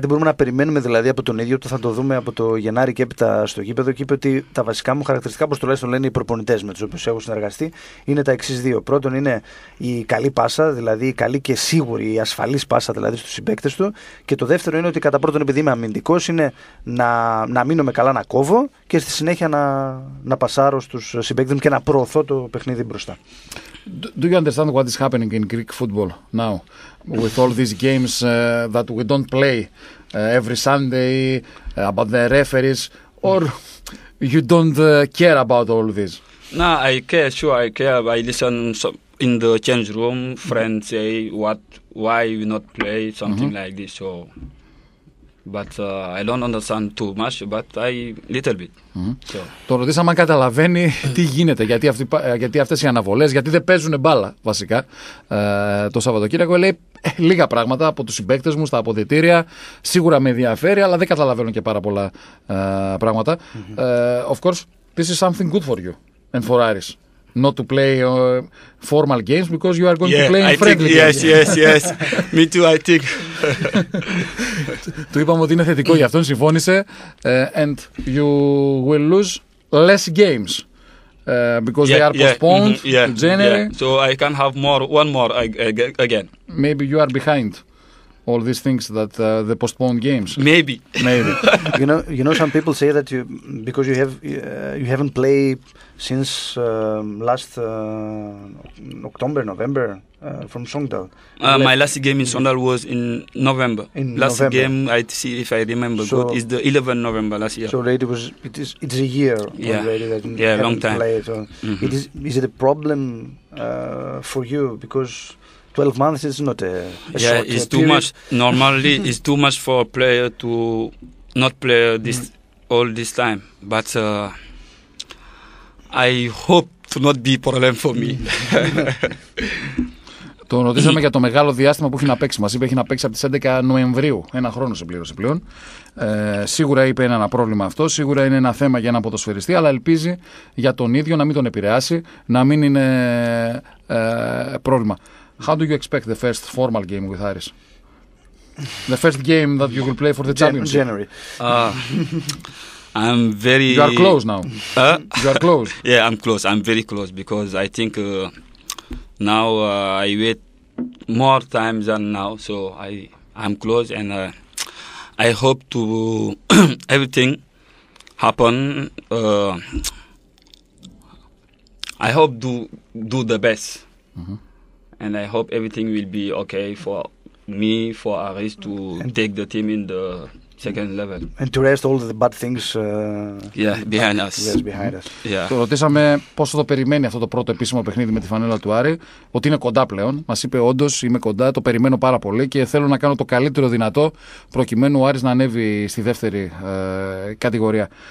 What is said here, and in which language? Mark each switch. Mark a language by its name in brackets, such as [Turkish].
[Greek] Τι μπορούμε να περιμένουμε δηλαδή από τον ίδιο, ότι θα το δούμε από το Γενάρη και έπειτα στο γήπεδο, και είπε ότι τα βασικά μου χαρακτηριστικά, όπως τουλάχιστον λένε οι προπονητές με τους οποίους έχω συνεργαστεί, είναι τα εξής δύο. Πρώτον είναι η καλή πάσα, δηλαδή η καλή και σίγουρη, η ασφαλής πάσα δηλαδή στους συμπαίκτες του. Και το δεύτερο είναι ότι κατά πρώτον, επειδή είμαι αμυντικός, είναι να μείνω με καλά να κόβω και στη συνέχεια να πασάρω στους συμπαίκτες μου και να προωθώ το παιχνίδι μπροστά. [English] Do you understand what is happening in Greek football now with all these games that we don't play every Sunday, about the referees, or you don't care about all this? No, I care, sure I care. I listen in the change room, friends say why we not play, something mm-hmm. like this. So, but I don't understand too much, but I little bit. [Greek] Το ρωτήσαμε αν καταλαβαίνει τι γίνεται, γιατί αυτές οι αναβολές, γιατί δεν παίζουν μπάλα βασικά το Σαββατοκύριακο. Λέει λίγα πράγματα από τους συμπαίκτες μου, στα αποδυτήρια, σίγουρα με ενδιαφέρει, αλλά δεν καταλαβαίνω και πάρα πολλά πράγματα. [English] Of course, this is something good for you and for Aris. Not to play formal games because you are going yeah, to play in I friendly think, games. Yes. Me too, I think. [Greek] Του είπαμε ότι είναι θετικό, γι' αυτόν συμφώνησε. [English] And you will lose less games because yeah, they are postponed in yeah, mm-hmm, yeah, January. Yeah. So I can have more, one more again. Maybe you are behind all these things that the postponed games. Maybe. You know, some people say that you, because you haven't played since last October, November, from Songdal. My last game in Songdal was in November. Last game, if I remember, is the 11th November last year. So already it's a year already that yeah, long time. Played. So mm-hmm. Is it a problem for you because 12 months is not a short yeah, it's period. Too much. Normally, it's too much for a player to not play this all this time. But I hope to not be a problem for me. [Greek] Το ρωτήσαμε για το μεγάλο διάστημα που έχει να παίξει. Μας είπε έχει να παίξει από τις 11 Νοεμβρίου. Ένα χρόνο συμπλήρωσε πλέον. Σίγουρα είπε είναι ένα πρόβλημα αυτό. Σίγουρα είναι ένα θέμα για ένα ποδοσφαιριστή. Αλλά ελπίζει για τον ίδιο να μην τον επηρεάσει, να μην είναι πρόβλημα. [English] How do you expect the first formal game with Aris? The first game that you will play for the championship? January. I'm very... You are close now. You are close. Yeah, I'm close. I'm very close because I think now I wait more time than now. So I'm close and I hope to everything happen. I hope to do the best. Mm-hmm. And I hope everything will be okay for me, for Aris, to and take the team in the second level. And to rest all the bad things behind us. Yes, behind us. Yeah. [Greek] Το ρωτήσαμε πόσο το περιμένει αυτό το πρώτο επίσημο παιχνίδι με τη φανέλα του Άρη, ότι είναι κοντά πλέον. Μας είπε όντως είμαι κοντά, το περιμένω πάρα πολύ και θέλω να κάνω το καλύτερο δυνατό προκειμένου ο Άρης να ανέβει στη δεύτερη κατηγορία.